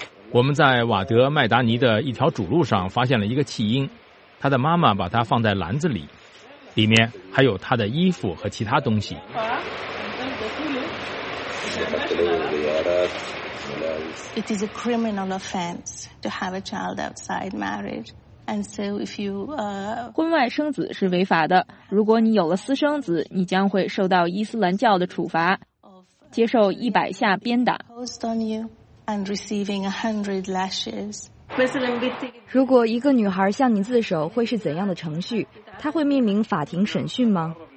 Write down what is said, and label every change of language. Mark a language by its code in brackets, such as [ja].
[zh] 我们在瓦德麦达尼的一条主路上发现了一个弃婴，他的妈妈把他放在篮子里，里面还有他的衣服和其他东西。 [en] It is a criminal offense to have a child outside marriage, and so if you [zh] 婚外生子是违法的。如果你有了私生子，你将会受到伊斯兰教的处罚，接受100下鞭打。 [en] And receiving 100 lashes. [zh] 如果一个女孩向你自首，会是怎样的程序？她会面临法庭审讯吗？